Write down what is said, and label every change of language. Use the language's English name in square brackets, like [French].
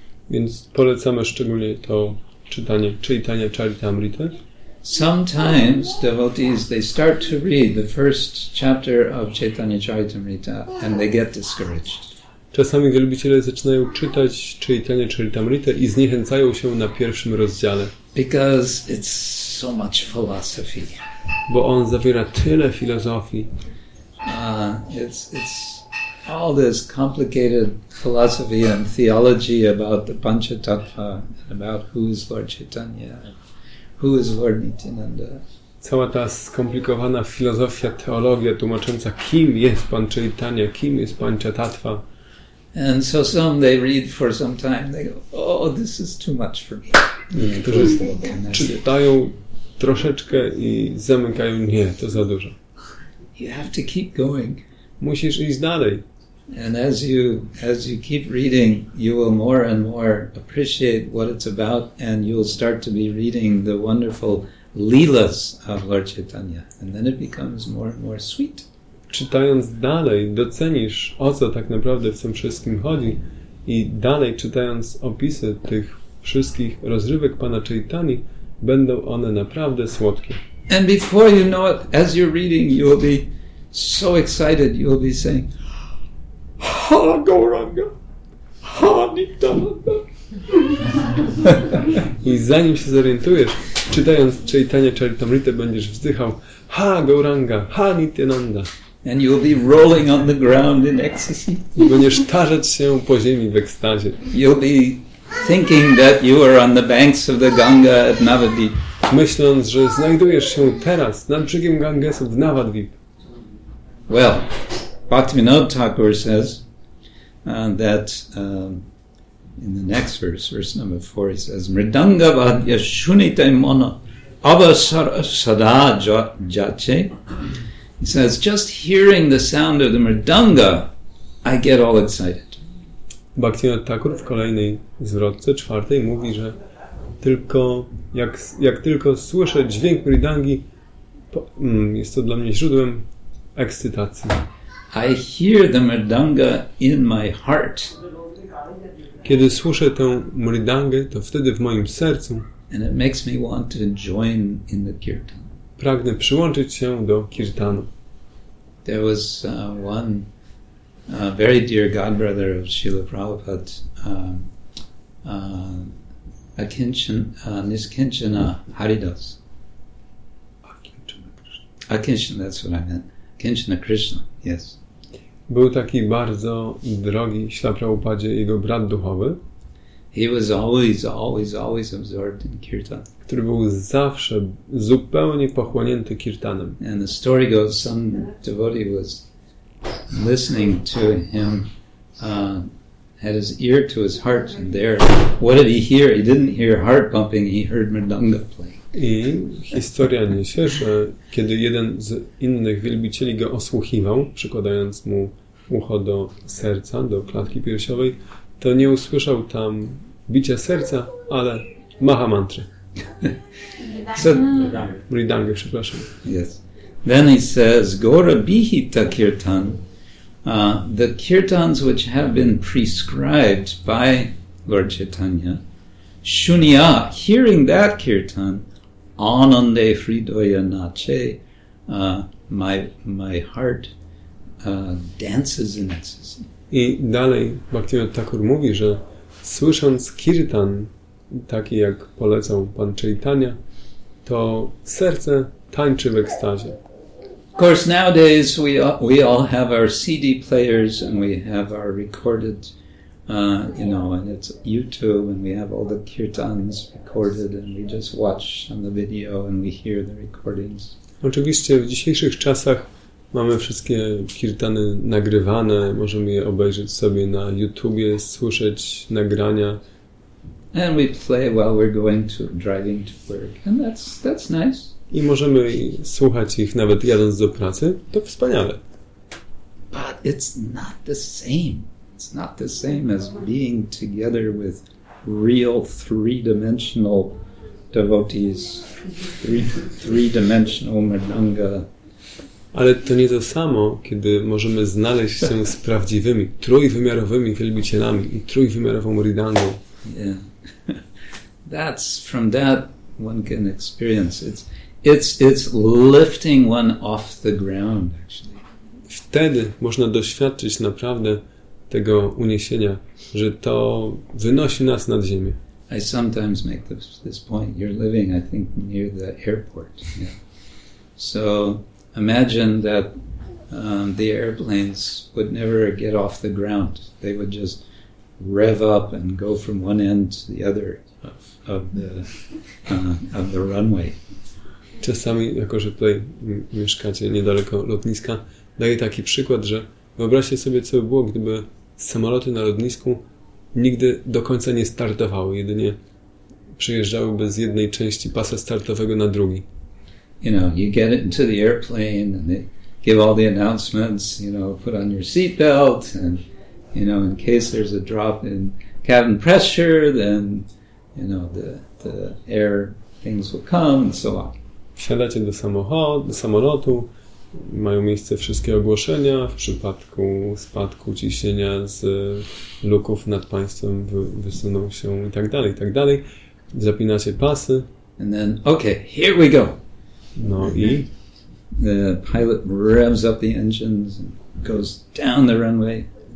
[Polish] Więc polecamy szczególnie to czytanie Chaitanya Charitamrita. [English] Sometimes devotees, they start to read the first chapter of Chaitanya Charitamrita and they get discouraged. [Polish] Czasami wielbiciele zaczynają czytać Chaitanya Charitamrita i zniechęcają się na pierwszym rozdziale. [English] Because it's so much philosophy. [Polish] Bo on zawiera tyle filozofii. [English] It's all this complicated philosophy and theology about the Panchatattva and about who is Lord Chaitanya. Who is Lord Nityananda? [Polish] Cała ta skomplikowana filozofia, teologia tłumacząca, kim jest Pan Chaitanya, kim jest Panchatattva. [English] And so some they read for some time, they go, oh, this is too much for me. [Polish] Niektórzy czytają troszeczkę i zamykają, nie, to za dużo. [English] You have to keep going. [Polish] Musisz iść dalej. [English] And as you keep reading, you will more and more appreciate what it's about, and you'll start to be reading the wonderful leelas of Lord Chaitanya, and then it becomes more and more sweet. [Polish] Czytając dalej, docenisz, o co tak naprawdę w tym wszystkim chodzi, i dalej czytając opisy tych wszystkich rozrywek Pana Chaitani, będą one naprawdę słodkie. [English] And before you know it, as you're reading, you will be so excited, you will be saying, Ha Gauranga! Ha Nityananda! [Polish] I zanim się zorientujesz, czytając Chaitanya Charitamrita, będziesz wzdychał Ha Gauranga! Ha Nityananda! [English] And you'll be rolling on the ground in ecstasy. [Polish] I będziesz tarzać się po ziemi w ekstazie. [English] You'll be thinking that you are on the banks of the Ganga at Navadvip. [Polish] Myśląc, że znajdujesz się teraz nad brzegiem Gangesu w Navadvip. [English] Well, Bhaktivinoda Thakur says that in the next verse, verse number 4, he says, [Bangla] Mridanga vadya shunite mona avasara sada jache. [English] He says, just hearing the sound of the mridanga, I get all excited. [Polish] Bhaktivinoda Thakur w kolejnej zwrotce, czwartej, mówi, że tylko jak tylko słyszę dźwięk mridangi, jest to dla mnie źródłem ekscytacji. [English] I hear the mridanga in my heart. [Polish] Kiedy słyszę tę mridangę, to wtedy w moim sercu, [English] and it makes me want to join in the kirtan. [Polish] Pragnę przyłączyć się do kirtanu. [English] There was one very dear godbrother of Srila Prabhupada, Nishkinchana Haridas. Akinchana, that's what I meant. Akinchana Krishna, yes. [Polish] Był taki bardzo drogi Śla Prabhupadzie, jego brat duchowy. [English] He was always absorbed in kirtan. [Polish] Który był zawsze zupełnie pochłonięty kirtanem. [English] And the story goes, some devotee was listening to him, had his ear to his heart, and there, what did he hear? He didn't hear heart pumping, he heard mridanga playing. [Polish] I historia niesie, że kiedy jeden z innych wielbicieli go osłuchiwał, przykładając mu ucho do serca, do klatki piersiowej, to nie usłyszał tam bicia serca, ale maha mantry. Mridanga, przepraszam. [English] Yes. Then he says, [Bangla] Gora bihita kirtan. [English] The kirtans which have been prescribed by Lord Chaitanya, shunya, hearing that kirtan, [Bangla] Anande Fridoya Nache, [English] my heart dances in ecstasy. [Polish] I dalej Bhaktivinoda Thakur mówi, że słysząc kirtan, taki jak polecał Pan Chaitanya, to serce tańczy w ekstazie. [English] Of course, nowadays we all have our CD players and we have our recorded, and it's YouTube and we have all the kirtans recorded and we just watch on the video and we hear the recordings. [Polish] Oczywiście w dzisiejszych czasach mamy wszystkie kirtany nagrywane, możemy je obejrzeć sobie na YouTubie, słyszeć nagrania. [English] And we play while we're driving to work, and that's nice. [Polish] I możemy słuchać ich nawet jadąc do pracy, to wspaniale. [English] But it's not the same. It's not the same as being together with real three-dimensional devotees, three-dimensional mridanga. [Polish] Ale to nie to samo, kiedy możemy znaleźć się z prawdziwymi, trójwymiarowymi wielbicielami i trójwymiarową mridangą. [English] Yeah. That's from that one can experience. It's lifting one off the ground, actually. [Polish] Wtedy można doświadczyć naprawdę tego uniesienia, że to wynosi nas nad ziemię. [English] I sometimes make this point. You're living, I think, near the airport. Yeah. So imagine that the airplanes would never get off the ground. They would just rev up and go from one end to the other of the runway. [Polish] Czasami, jako że tutaj mieszkacie niedaleko lotniska, daję taki przykład, że wyobraźcie sobie, co by było, gdyby samoloty na lotnisku nigdy do końca nie startowały, jedynie przejeżdżałyby z jednej części pasa startowego na drugi. [English] You know, you get into the airplane and they give all the announcements, you know, put on your seatbelt and, you know, in case there's a drop in cabin pressure, then, you know, the air things will come and so on. [Polish] Wsiadacie do samolotu, mają miejsce wszystkie ogłoszenia w przypadku spadku ciśnienia z luków nad państwem wysuną się i tak dalej, i tak dalej. Zapinacie pasy. [English] And then, okay, here we go. [Polish] No i? [English] The pilot revs up the engines and goes down the runway.